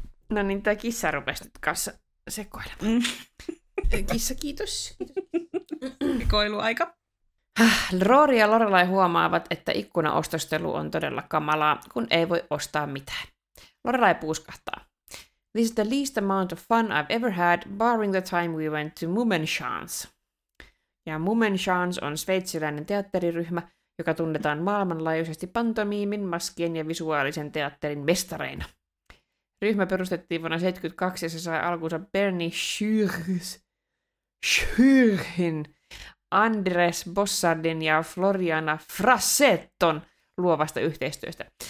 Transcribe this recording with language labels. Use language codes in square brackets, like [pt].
[fi] No niin, tämä kissa rupesi nyt kanssa sekoilemaan. Kissa, kiitos. Sekoiluaika. Rory ja Lorelai huomaavat, että ikkunaostostelu on todella kamalaa, kun ei voi ostaa mitään. Lorelai puuskahtaa. [en] This is the least amount of fun I've ever had, barring the time we went to Mumenschans. [fi] Ja Mumenschans on sveitsiläinen teatteriryhmä, joka tunnetaan maailmanlaajuisesti pantomiimin, maskien ja visuaalisen teatterin mestareina. Ryhmä perustettiin vuonna 1972 ja se sai alkunsa Bernie Schürchen, Andres Bossardin ja Floriana Frasetton luovasta yhteistyöstä.